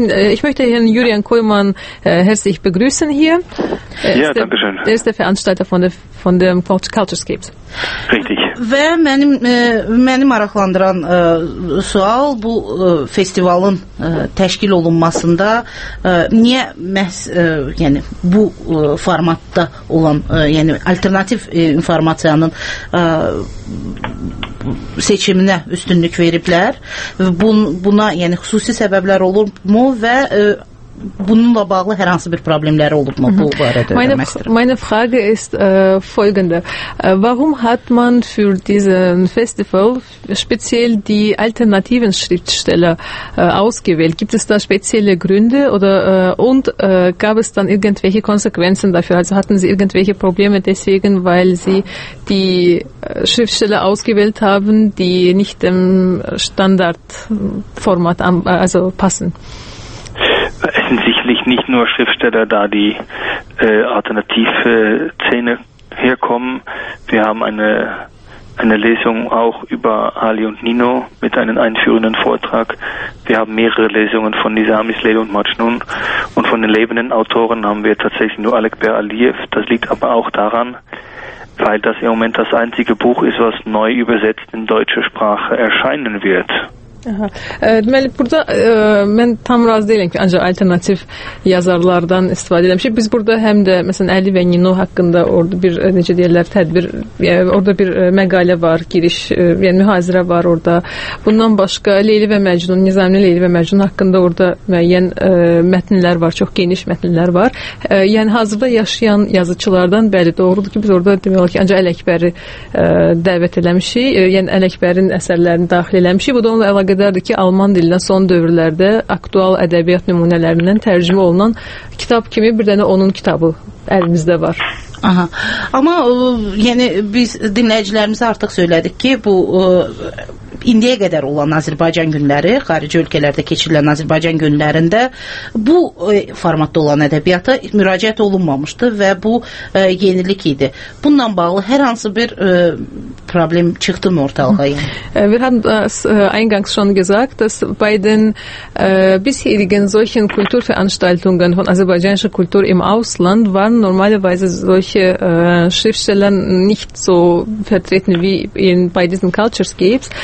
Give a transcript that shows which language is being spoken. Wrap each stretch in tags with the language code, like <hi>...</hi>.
<de>Ich möchte Herrn Yurian Koyman herzlich begrüßen hier. Ja, danke schön. Er ist der Veranstalter von dem Culturescape. Richtig.</de> <az>Ve beni maraqlandıran sual bu festivalın təşkil olunmasında niyə məhz yəni bu formatda olan yəni alternativ informasiyanın seçiminə üstünlük veriblər. Buna yəni xüsusi səbəblər olurmu və bununla bağlı hər hansı bir problemləri olurmu bu barədə?</az> <de>Meine Frage ist folgende. Warum hat man für diesen Festival speziell die alternativen Schriftsteller ausgewählt? Gibt es da spezielle Gründe oder gab es dann irgendwelche Konsequenzen dafür? Also hatten Sie irgendwelche Probleme deswegen, weil Sie die Schriftsteller ausgewählt haben, die nicht dem Standardformat also passen? Es sind sicherlich nicht nur Schriftsteller da, die alternative Szene herkommen. Wir haben eine Lesung auch über Ali und Nino mit einem einführenden Vortrag. Wir haben mehrere Lesungen von Nizamis, Leyla und Majnun. Und von den lebenden Autoren haben wir tatsächlich nur Alek Bey Aliyev. Das liegt aber auch daran, weil das im Moment das einzige Buch ist, was neu übersetzt in deutsche Sprache erscheinen wird.</de> <az>Deməli, burada mən tam razı deyiləm ki, ancaq alternativ yazarlardan istifadə eləmişik. Biz burada həm də, məsələn, Əli və Nino haqqında orada bir, necə deyirlər, tədbir, orada bir məqalə var, giriş, yəni mühazirə var orada. Bundan başqa Leyli və Məcnun, Nizami Leyli və Məcnun haqqında orada müəyyən mətnlər var, çox geniş mətnlər var. Yəni, hazırda yaşayan yazıçılardan bəli doğrudur ki, biz orada demək olar ki, ancaq Əli Əkbəri dəvət eləmişik, yəni Əli Əkbərin əsərlərini daxil eləmişik. Bu da onunla əlaqədardır ki, alman dilindən son dövrlərdə aktual ədəbiyyat nümunələrindən tərcümə olunan kitab kimi bir dənə onun kitabı əlimizdə var. Aha. Amma yəni biz dinləyicilərimizə artıq söylədik ki, bu indiyə qədər olan Azərbaycan günləri, xarici ölkələrdə keçirilən Azərbaycan günlərində bu formatda olan ədəbiyyata müraciət olunmamışdı və bu yenilik idi. Bununla bağlı hər hansı bir problem çıxdı mı ortalığa?</az> <de>Wir haben das eingangs schon gesagt, dass bei den bisherigen solchen Kulturveranstaltungen von azerbaijanischer Kultur im Ausland waren normalerweise solche Schriftsteller nicht so vertreten wie in bei diesen Cultures Games.</de>